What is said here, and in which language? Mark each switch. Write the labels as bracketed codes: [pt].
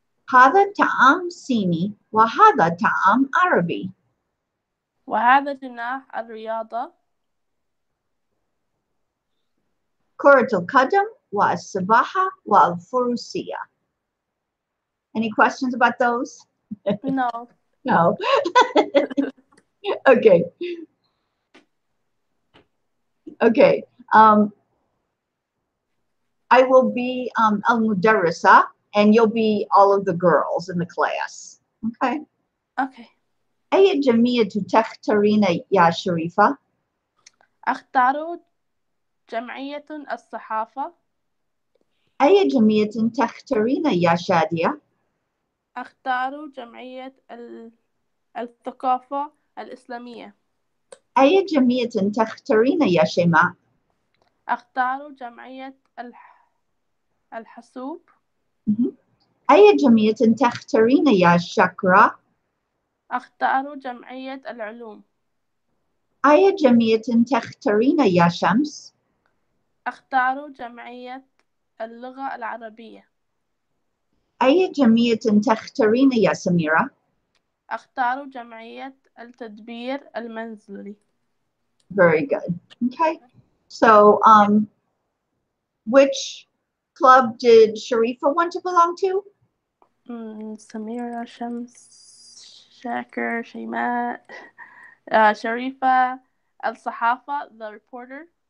[ar] هذا طعام صيني وهذا طعام عربي. وهذا جناح الرياضة. كرة القدم والسباحة والفروسية. [en] Any questions about those? No. No. Okay. Okay. I will be Al Mudarrisa and you'll be all of the girls in the class. Okay. Okay. [ar] أي جميع تختارين يا شريفة؟ أختار جمعية الصحافة. أي جميع تختارين يا شادية؟ أختار جمعية الثقافة الإسلامية. أي جمعية تختارين يا شيماء؟ أختار جمعية الحاسوب. أي جمعية تختارين يا شاكرا؟ أختار جمعية العلوم. أي جمعية تختارين يا شمس؟ أختار جمعية اللغة العربية. أي جمعية تختارين يا سميرة؟ أختار جمعية التدبير المنزلي. [en] Very good. Okay. So, which club did Sharifa want to belong to? Samira, Shams, Shaker, Shaymat, Sharifa, Al-Sahafa, the reporter.